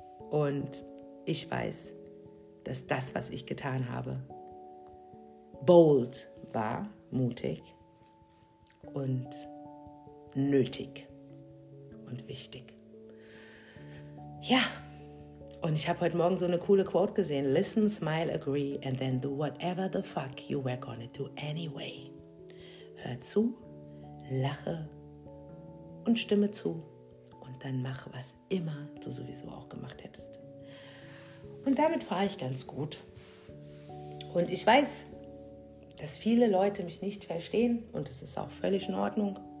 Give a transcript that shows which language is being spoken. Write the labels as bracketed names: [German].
[German] Und ich weiß, dass das, was ich getan habe, bold war, mutig und nötig und wichtig. Ja, und ich habe heute Morgen so eine coole Quote gesehen. [English] Listen, smile, agree and then do whatever the fuck you were gonna do anyway. [German] Hör zu, lache und stimme zu und dann mach, was immer du sowieso auch gemacht hättest. Und damit fahre ich ganz gut. Und ich weiß, dass viele Leute mich nicht verstehen und das ist auch völlig in Ordnung.